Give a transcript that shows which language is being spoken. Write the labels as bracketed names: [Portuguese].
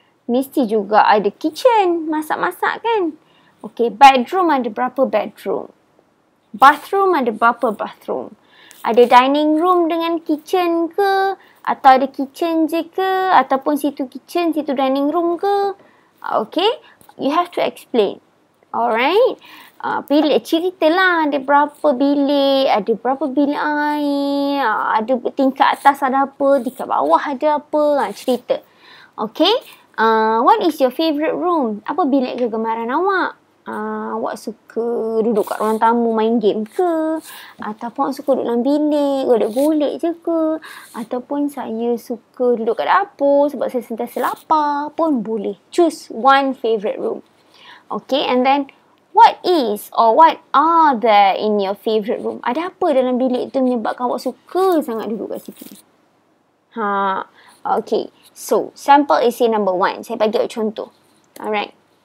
[Malay] Mesti juga ada kitchen, masak-masak kan? Okay, bedroom ada berapa bedroom? Bathroom ada berapa bathroom? Ada dining room dengan kitchen ke? Atau ada kitchen je ke? Ataupun situ kitchen, situ dining room ke? [English] Okay, you have to explain. [Malay] Alright, bilik ceritalah ada berapa bilik air, ada tingkat atas ada apa, tingkat bawah ada apa, cerita. [English] Okay, what is your favourite room? [Malay] Apa bilik kegemaran awak? Awak suka duduk kat ruang tamu main game ke? Ataupun awak suka duduk dalam bilik, duduk golek je ke? Ataupun saya suka duduk kat dapur sebab saya sentiasa lapar pun boleh. [English] Choose one favourite room. Okay, and then what is or what are there in your favourite room? [Malay] Ada apa dalam bilik tu menyebabkan awak suka sangat duduk kat situ? [English] Ha, okay. So, sample essay number one. [Malay] Saya bagi awak contoh. [English] Alright.